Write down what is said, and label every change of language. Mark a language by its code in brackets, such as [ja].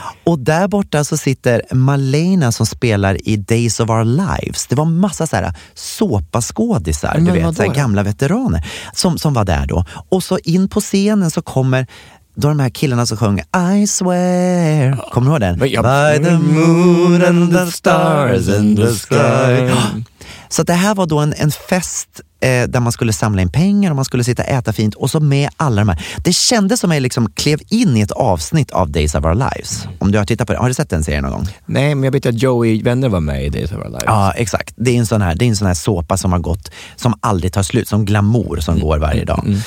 [sv] Och där borta så sitter Malena som spelar i Days of Our Lives. Det var massa så här såpaskådisar, du vet, så här gamla veteraner som var där då. Och så in på scenen så kommer då de här killarna som sjunger I swear. Kommer du ihåg den? [en] By the moon and the stars in the sky. [sv] Så det här var då en fest där man skulle samla in pengar och man skulle sitta och äta fint och så med alla de här. Det kändes som att jag liksom klev in i ett avsnitt av Days of Our Lives. Om du har tittat på det. Har du sett den serien någon gång? Nej, men jag vet att Joey Vänner var med i Days of Our Lives. Ja, exakt. Det är en sån här, det är en sån här såpa som har gått, som aldrig tar slut, som glamour som går varje dag.